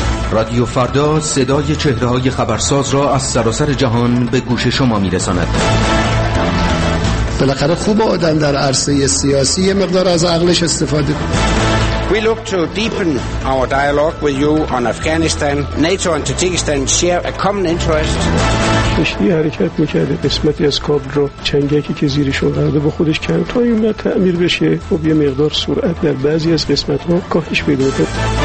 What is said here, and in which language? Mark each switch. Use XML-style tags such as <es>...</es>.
<fa>رادیو فردا صدای چهره های خبرساز را از سراسر جهان به گوش شما می رساند. بالاخره خوب آدم در عرصه سیاسی یه مقدار از عقلش استفاده کنه.</fa> <en>We look to deepen our dialogue with you on Afghanistan. NATO and Tajikistan share a common interest.</en> <fa>کشتی حرکت میکرده، قسمتی از کابل رو چنگکی که زیرش اومده با خودش کرد تا این مدت تعمیر بشه و یه مقدار سرعت در بعضی از قسمت ها کاهش پیدا کرد.</fa>